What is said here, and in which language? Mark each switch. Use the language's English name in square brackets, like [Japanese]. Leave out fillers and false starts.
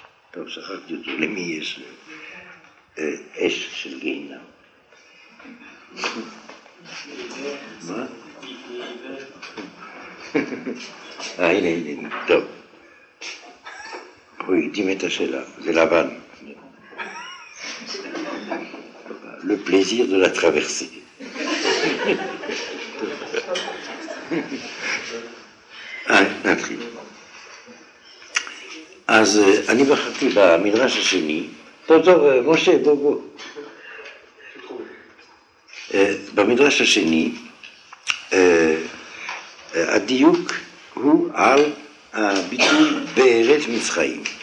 [Hebrew] טוב, שכחתי אותו, למי יש? אש של גיהנם. מה? הנה, הנה, הנה, טוב. הוא יקדים את השאלה, זה לבן. [French] Le plaisir de la traversée. [Hebrew] נתחיל. אז אני בחרתי במדרש השני, טוב, טוב, משה, בוא, בוא. במדרש השני, הדיוק הוא על הביטוי בארץ מצרים.